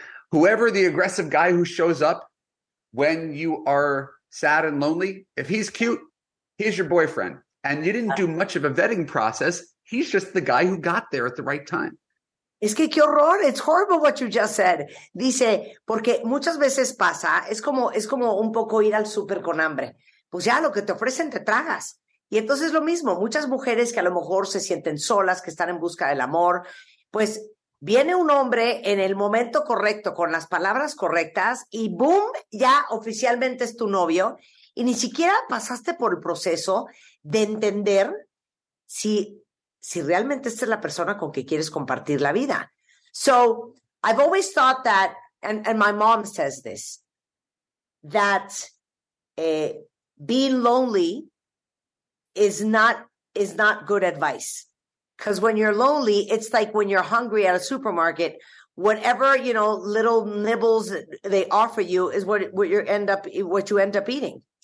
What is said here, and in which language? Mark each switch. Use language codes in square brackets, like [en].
[en] Whoever the aggressive guy who shows up when you are sad and lonely, if he's cute, he's your boyfriend. And you didn't do much of a vetting process. He's just the guy who got there at the right time. [es] Es que qué horror, [en] it's horrible what you just said. [es] Dice, porque muchas veces pasa, es como un poco ir al súper con hambre. Pues ya, lo que te ofrecen te tragas. Y entonces lo mismo, muchas mujeres que a lo mejor se sienten solas, que están en busca del amor, pues viene un hombre en el momento correcto, con las palabras correctas, y boom, ya oficialmente es tu novio. Y ni siquiera pasaste por el proceso de entender si realmente esta es la persona con que quieres compartir la vida. [en] So I've always thought that, and my mom says this, that being lonely is not good advice. Because when you're lonely, it's like when you're hungry at a supermarket, whatever, you know, little nibbles they offer you is what you end up eating.